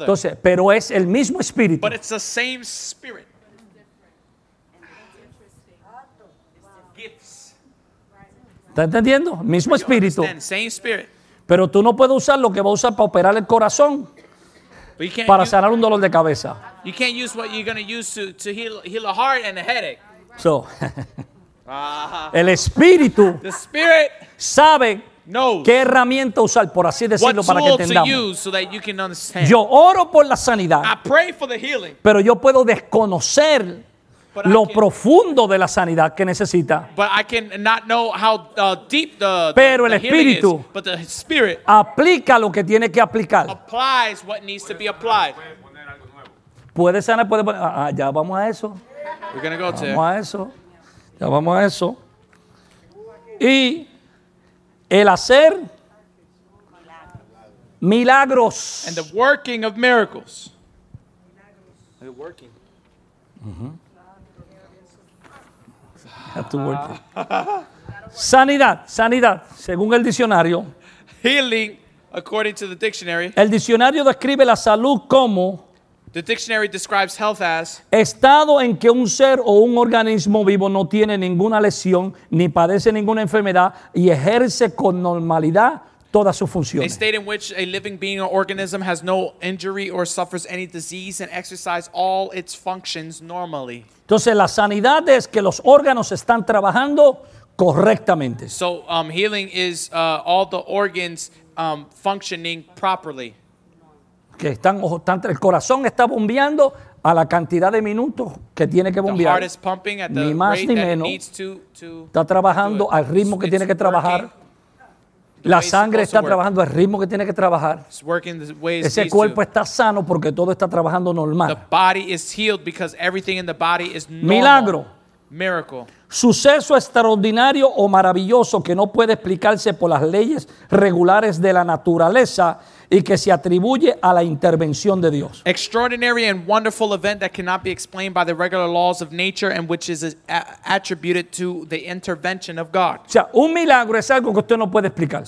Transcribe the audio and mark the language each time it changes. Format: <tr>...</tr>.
<es>Entonces, pero es el mismo espíritu.</es> <en>But it's the same spirit. Gifts.</en> <es>¿Está entendiendo? Mismo espíritu.</es> <en>Same spirit.</en> <es>Pero tú no puedes usar lo que vas a usar para operar el corazón. Para sanar un dolor de cabeza.</es> <en>You can't use what you're going to use to heal a heart and a headache.</en> <es>So, el espíritu</es> <en>the spirit</en> <es>sabe</es> <en>knows</en> <es>qué herramienta usar, por así decirlo, para que entendamos.</es> <en>So that you can understand.</en> <es>Yo oro por la sanidad.</es> <en>I pray for the healing.</en> <es>Pero yo puedo desconocer lo profundo de la sanidad que necesita.</es> <en>But I can not know how deep the healing is.</en> <es>Pero el Espíritu aplica lo que tiene que aplicar.</es> <en>Applies what needs to be applied.</en> <es>Puede sanar, puede poner. Ah, ya vamos a eso.</es> <en>We're gonna go to.</en> <es>Vamos a eso. Ya vamos a eso. Y el hacer milagros.</es> <en>And the working of miracles. The working.</en> <es>Sanidad, según el diccionario.</es> <en>Healing, according to the dictionary.</en> <es>El diccionario describe la salud como.</es> <en>The dictionary describes health as.</en> <es>Estado en que un ser o un organismo vivo no tiene ninguna lesión ni padece ninguna enfermedad y ejerce con normalidad todas sus funciones.</es> <en>A state in which a living being or organism has no injury or suffers any disease and exercises all its functions normally.</en> <es>Entonces, la sanidad es que los órganos están trabajando correctamente.</es> <en>So, healing is all the organs functioning properly.</en> <es>Que están, el corazón está bombeando a la cantidad de minutos que tiene que bombear.</es> <en>The heart is pumping at the</en> <es>ni más</es> <en>rate</en> <es>ni menos.</es> <en>That it needs to</en> <es>está trabajando al ritmo que tiene que trabajar. La sangre está trabajando al ritmo que tiene que trabajar. Ese cuerpo está sano porque todo está trabajando normal.</es> <en>The body is healed because everything in the body is normal.</en> <es>Milagro.</es> <en>Miracle.</en> <es>Suceso extraordinario o maravilloso que no puede explicarse por las leyes regulares de la naturaleza y que se atribuye a la intervención de Dios.</es> <en>Extraordinary and wonderful event that cannot be explained by the regular laws of nature and which is attributed to the intervention of God.</en> <es>O sea, un milagro es algo que usted no puede explicar.</es>